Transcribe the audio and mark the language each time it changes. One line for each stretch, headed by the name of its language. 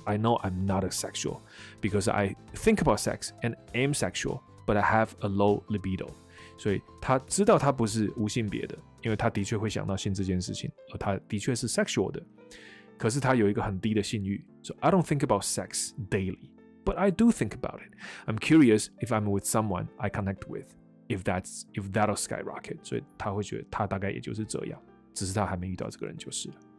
English: I know I'm not a sexual because I think about sex and am sexual, but I have a low libido。
Chinese: 所以他知道他不是无性别的，因为他的确会想到性这件事情，而他的确是 sexual 的。可是他有一个很低的性欲 ，
English: so I don't think about sex daily, but I do think about it. I'm curious if I'm with someone I connect with, if that'll skyrocket.
Chinese: 所以他会觉得他大概也就是这样，只是他还没遇到这个人就是了。